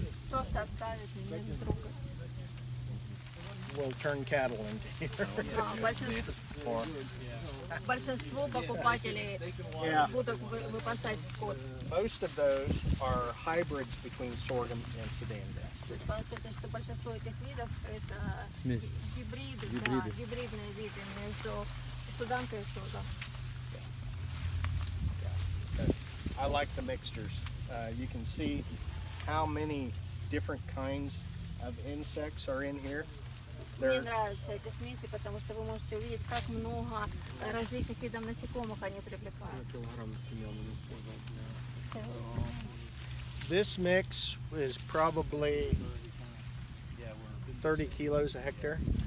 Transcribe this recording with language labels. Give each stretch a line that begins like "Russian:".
Russian: Просто оставить, не трогать.
English: We'll turn cattle into here.
Russian: Большинство покупателей будут выпасать скот.
English: Most of those are hybrids between sorghum and sedan grass.
Russian: Получается, что большинство этих видов это гибриды. Да, гибридные виды между суданкой и сорхом.
English: I like the mixtures. You can see how many different kinds of insects are in here.
Russian: Мне нравятся эти смеси, потому что вы можете увидеть, как много различных видов насекомых они привлекают.
English: This mix is probably 30 kilos a hectare.